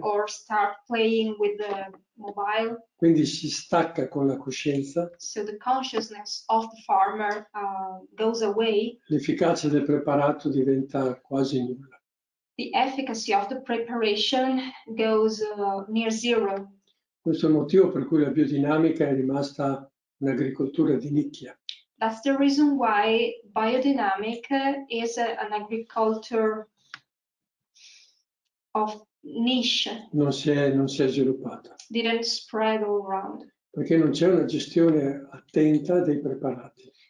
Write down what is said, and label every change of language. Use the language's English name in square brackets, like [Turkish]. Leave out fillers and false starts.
[English] or start playing with the mobile, [Italian] quindi si stacca con la coscienza, [English] so the consciousness of the farmer goes away, [Italian] l'efficacia del preparato diventa quasi nulla. [English] The efficacy of the preparation goes near zero. [Italian] Questo è il motivo per cui la biodinamica è rimasta un'agricoltura di nicchia. [English] That's the reason why biodynamic is an agriculture of niche. [Italian] Non si è sviluppata. [English] Didn't spread all around. [Italian] Perché non c'è una gestione attenta dei preparati.